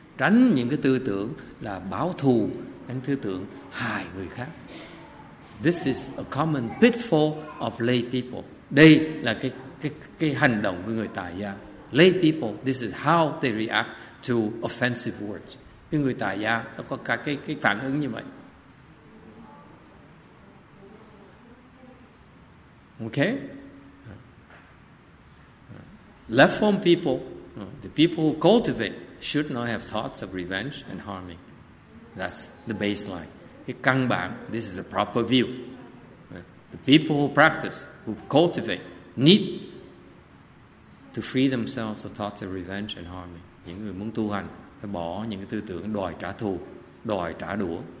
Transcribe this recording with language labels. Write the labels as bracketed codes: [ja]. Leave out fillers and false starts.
[vi] Tránh những cái tư tưởng là báo thù, tránh tư tưởng hại người khác. [en] This is a common pitfall of lay people. [vi] Đây là cái hành động của người tại gia. [en] Lay people, this is how they react to offensive words. [vi] Cái người tại gia nó có cả cái phản ứng như vậy. [en] Okay? Left-form people, the people who cultivate, should not have thoughts of revenge and harming. That's the baseline. [vi] Cái căn bản, [en] this is the proper view. The people who practice, who cultivate, need to free themselves of thoughts of revenge and harming. [vi] Những người muốn tu hành phải bỏ những cái tư tưởng đòi trả thù, đòi trả đũa.